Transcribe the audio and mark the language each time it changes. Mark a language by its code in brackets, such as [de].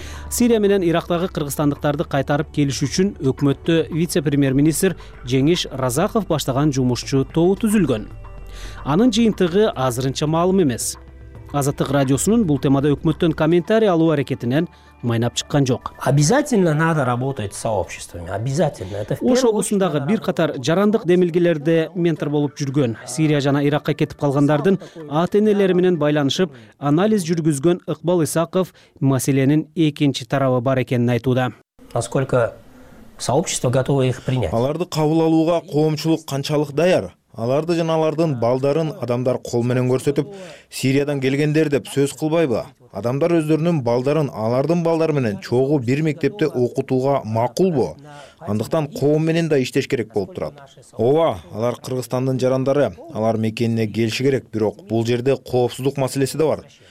[ky] Сирия менен Ирактагы кыргызстандыктарды кайтарып келиш үчүн өкмөттө вице-премьер-министр Жеңиш Разаков баштаган жумушчу тобу түзүлгөн. Анын жыйынтыгы азырынча маалым эмес. Азаттык радиосунун бул темада өкмөттөн комментарий алуу аракетинен майнап чыккан жок. [ru] Обязательно надо работать с сообществами. Обязательно. [ky] Ошол усундагы бир катар жарандык демилгелерде ментор болуп жүргөн, Сирия жана Иракка кетип калгандардын ата-энелери менен байланышып, анализ жүргүзгөн Ыкбал Исаков маселенин экинчи тарабы бар экенин айтууда. [ru] Насколько сообщество готово их принять? [ky] Аларды кабыл алууга коомчулук канчалык даяр? Аларды жана алардын балдарын адамдар кол менен көрсөтүп, Сириядан келгендер деп сөз кылбайбы? Адамдар өздөрүнүн балдарын алардын балдары менен чогуу бир мектепте окутууга макулбу? Андыктан коом менен да иштеш керек болуп турат. Ооба, алар Кыргызстандын жарандары, алар мекенине келиши керек, бирок бул жерде коопсуздук маселеси да бар.